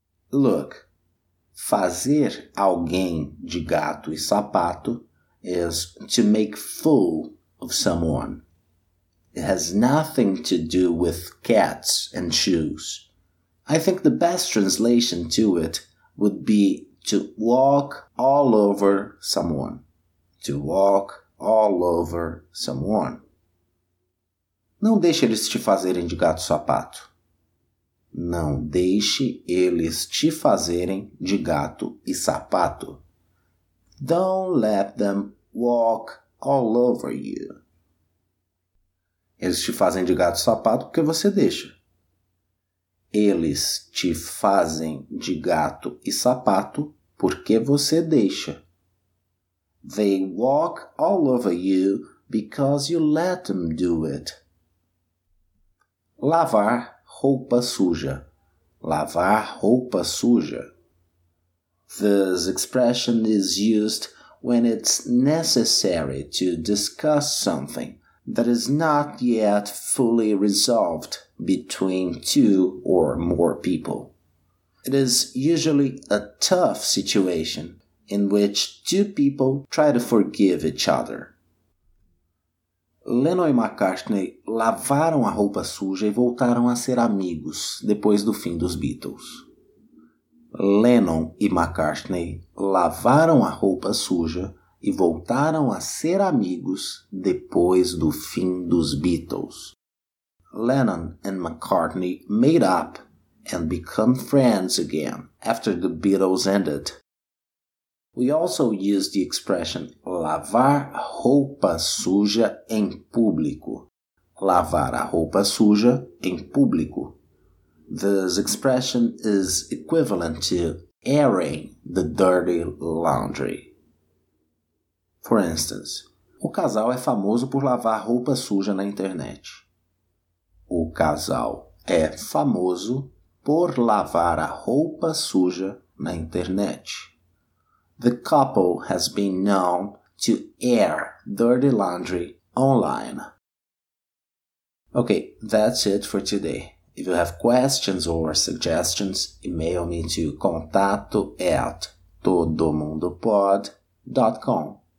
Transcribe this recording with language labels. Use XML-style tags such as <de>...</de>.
<en>Look,</en> <pt>fazer alguém de gato e sapato</pt> <en>is to make fool of someone. It has nothing to do with cats and shoes. I think the best translation to it would be to walk all over someone. To walk all over someone.</en> <pt>Não deixe eles te fazerem de gato sapato. Não deixe eles te fazerem de gato e sapato.</pt> <en>Don't let them walk all over you.</en> <pt>Eles te fazem de gato sapato porque você deixa. Eles te fazem de gato e sapato porque você deixa.</pt> <en>They walk all over you because you let them do it.</en> <pt>Lavar roupa suja. lavar roupa suja.</pt> <en>This expression is used when it's necessary to discuss something that is not yet fully resolved between two or more people. It is usually a tough situation in which two people try to forgive each other.</en> <pt>Lennon e McCartney lavaram a roupa suja e voltaram a ser amigos depois do fim dos Beatles. Lennon e McCartney lavaram a roupa suja e voltaram a ser amigos depois do fim dos Beatles.</pt> <en>Lennon and McCartney made up and become friends again after the Beatles ended. We also use the expression</en> <pt>lavar roupa suja em público. Lavar a roupa suja em público.</pt> <en>This expression is equivalent to airing the dirty laundry. For instance,</en> <pt>o casal é famoso por lavar roupa suja na internet. O casal é famoso por lavar a roupa suja na internet.</pt> <en>The couple has been known to air dirty laundry online. Okay, that's it for today. If you have questions or suggestions, email me to contato@todomundopod.com.</en>